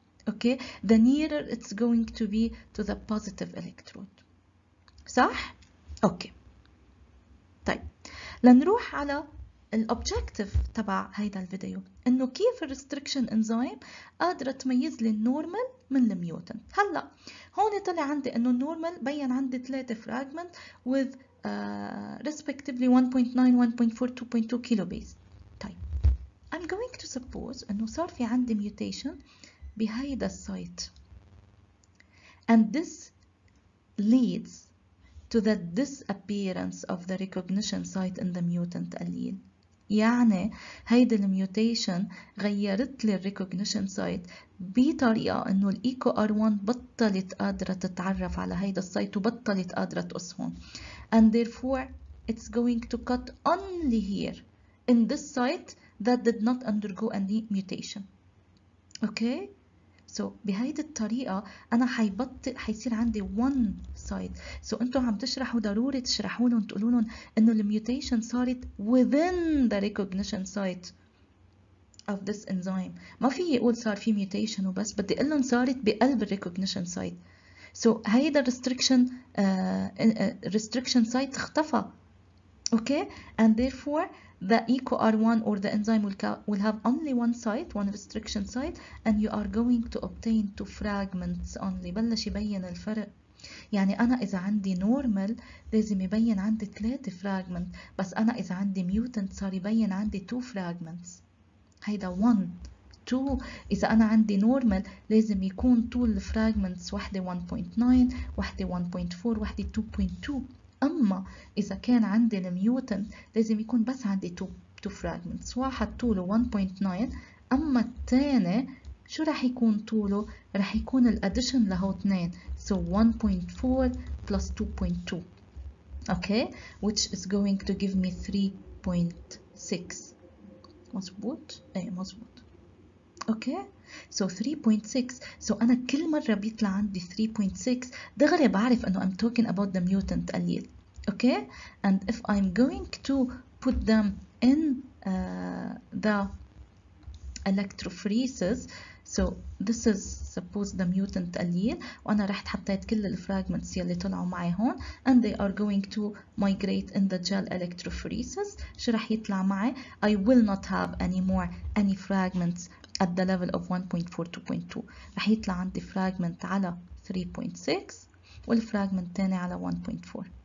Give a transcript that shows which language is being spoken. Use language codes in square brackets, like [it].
[en] Okay, the nearer it's going to be to the positive electrode. [ar] صح؟ Okay. طيب لنروح على الأوبجيكتيف تبع هيدا الفيديو, إنه كيف الريستريكشن انزيم قادرة تميز لي النورمال من الميوتن. هلا هون طلع عندي إنه النورمال بين عندي 3 فراجمنت [en] with respectively 1.9, 1.4, 2.2 [ar] كيلو بيز. [en] طيب I'm going to suppose [ar] إنه صار في عندي ميوتيشن بهيدا السايت [en] and this leads to the disappearance of the recognition site in the mutant allele. [ar] يعني هيدا الميوتيشن غيرت لي الريكوجنيشن سايت بطريقه انه الايكو ار 1 بطلت قادره تتعرف على هيدا السايت وبطلت قادره تقص هون. [en] And therefore it's going to cut only here in this site that did not undergo any mutation. Okay? [ar] So بهيدي الطريقه انا حيبطل حيصير عندي 1 سايت. سو انتم عم تشرحوا ضروري تشرحوا لهم تقولوا لهم انه الميوتيشن صارت [en] within the recognition site of this enzyme. [ar] ما في يقول صار في ميوتيشن وبس, بدي اقول لهم صارت بقلب الريكوجنيشن سايت. سو هيدا الريستريكشن سايت اختفى. [en] Okay and therefore the EcoR1 or the enzyme will have only one site, one restriction site, and you are going to obtain two fragments only. [ar] بلش يبين الفرق. يعني أنا إذا عندي normal لازم يبين عندي 3 fragments, بس أنا إذا عندي mutant صار يبين عندي 2 fragments. هيدا 1, 2. إذا أنا عندي normal لازم يكون طول fragments واحدة 1.9, واحدة 1.4, واحدة 2.2. أما إذا كان عندي الميوتنت لازم يكون بس عندي 2 fragments, واحد طوله 1.9, أما الثاني شو رح يكون طوله؟ رح يكون الأديشن لهو 2, [en] so 1.4 plus 2.2, okay, which is going to give me 3.6. [ar] مظبوط؟ إيه مظبوط. [en] Okay, so 3.6. [ar] So أنا كل مرة بيطلع عندي 3.6 دغري بعرف إنه [en] I'm talking about the mutant allele. Okay, and if I'm going to put them in the electrophoresis, so this is suppose the mutant allele [ar] وأنا رحت حطيت كل الفراجمنتس يلي طلعوا معي هون [en] and they are going to migrate in the gel electrophoresis [ar] شو رح يطلع معي [en] I will not have any more any fragments at the level of 1.4 to 0.2 [ar] رح يطلع عندي [en] fragment [ar] على 3.6 والفراجمنت الثاني على 1.4